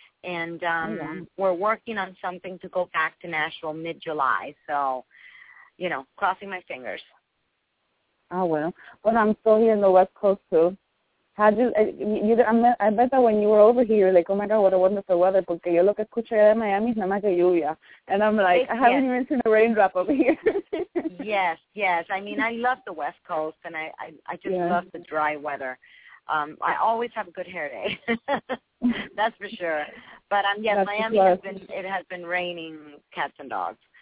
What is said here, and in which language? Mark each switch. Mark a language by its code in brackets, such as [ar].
[en] And we're working on something to go back to Nashville mid-July. So, you know, crossing my fingers. Oh, well. But I'm still here in the West Coast, too. I bet that when you were over here, like, oh, my God, what a wonderful weather. [es] Porque yo lo que escucho allá en Miami es nada más que lluvia. [en] And I'm like, I haven't even seen a raindrop over here. Yes. I mean, I love the West Coast, and I just love the dry weather. I always have a good hair day. That's for sure. But Miami has been raining cats and dogs.